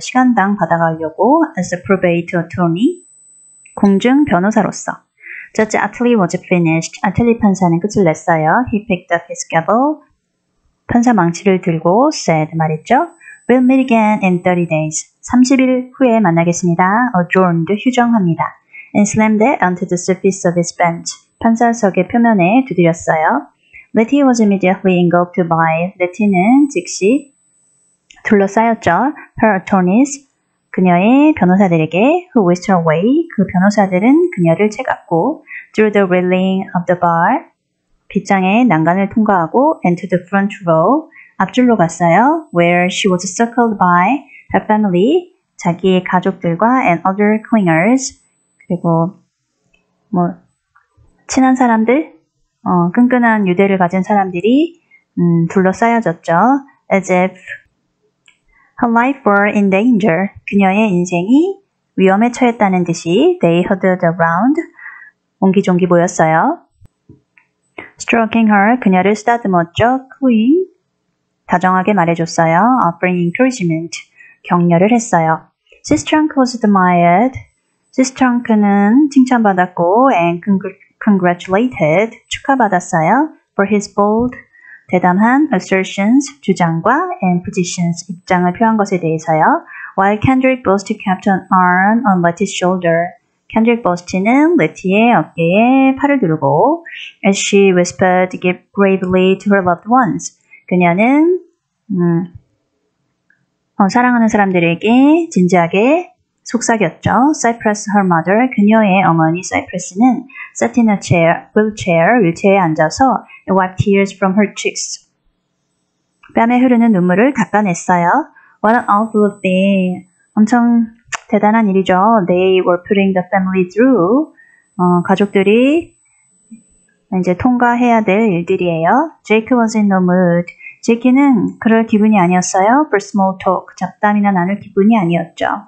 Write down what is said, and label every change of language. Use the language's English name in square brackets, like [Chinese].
[Korean] 시간당 받아가려고 [English] as a probate attorney. [Korean] 공증 변호사로서. [English] Judge Attlee was finished. [Korean] Attlee 판사는 끝을 냈어요. [English] He picked up his gavel. [Korean] 판사 망치를 들고 said 말했죠. [English] We'll meet again in 30 days. [Korean] 30일 후에 만나겠습니다. [English] Adjourned [Korean] 휴정합니다. [English] And slammed it onto the surface of his bench. [Korean] 판사석의 표면에 두드렸어요. [English] Letty was immediately engulfed by. [Korean] Letty는 즉시 둘러싸였죠. [English] Her attorneys, [Korean] 그녀의 변호사들에게. [English] Who whisked her away. [Korean] 그 변호사들은 그녀를 채갑고. [English] Through the railing of the bar. [Korean] 빗장의 난간을 통과하고. [English] And to the front row. [Korean] 앞줄로 갔어요. [English] Where she was circled by her family. [Korean] 자기 가족들과 [English] and other clingers. [Korean] 그리고 뭐 친한 사람들. 끈끈한 유대를 가진 사람들이 둘러싸여졌죠. [English] As if her life were in danger. [Korean] 그녀의 인생이 위험에 처했다는 듯이 [English] they huddled around. [Korean] 옹기종기 모였어요. [English] Stroking her. [Korean] 그녀를 쓰다듬었죠. [English] Cooing. [Korean] 다정하게 말해줬어요. [English] Offering encouragement. [Korean] 격려를 했어요. [English] Sis Trunk was admired. [Korean] Sis Trunk는 칭찬받았고 [English] and congratulated. [Korean] 축하받았어요. [English] For his bold, [Korean] 대담한 [English] assertions, [Korean] 주장과 [English] and positions, [Korean] 입장을 표한 것에 대해서요. [English] While Kendrick Bosty kept an arm on Letty's shoulder. [Korean] Kendrick Bosty는 Letty의 어깨에 팔을 두르고 [English] as she whispered gravely to her loved ones. [Korean] 그녀는 사랑하는 사람들에게 진지하게 속삭였죠. [English] Cypress, her mother. [Korean] 그녀의 어머니 Cypress는 [English] sat in a chair, wheelchair, [Korean] 위치에 앉아서 [English] and wiped tears from her cheeks. [Korean] 뺨에 흐르는 눈물을 닦아냈어요. [English] What an awful thing. [Korean] 엄청 대단한 일이죠. [English] They were putting the family through. [Korean] 가족들이 이제 통과해야 될 일들이에요. [English] Jake was in no mood. [Korean] 제키는 그럴 기분이 아니었어요. [English] For small talk. [Korean] 잡담이나 나눌 기분이 아니었죠.